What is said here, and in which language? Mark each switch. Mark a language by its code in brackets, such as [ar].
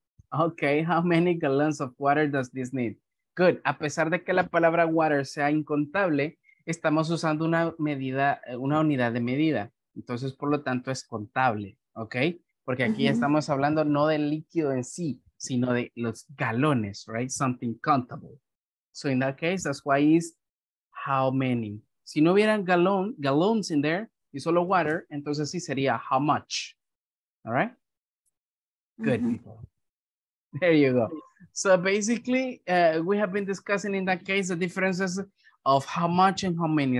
[en] Okay, how many gallons of water does this need? Good. [es] A pesar de que la palabra water sea incontable, estamos usando una unidad de medida. Entonces, por lo tanto, es contable. Okay? Porque aquí estamos hablando no del líquido en sí, sino de los galones, right? [en] Something countable. So in that case, that's why it's how many. [es] Si no hubieran [en] gallons in there, [es] y solo water, entonces sí sería how much. All right? Good. [en] Mm-hmm. There you go. So basically, we have been discussing in that case the differences of how much and how many.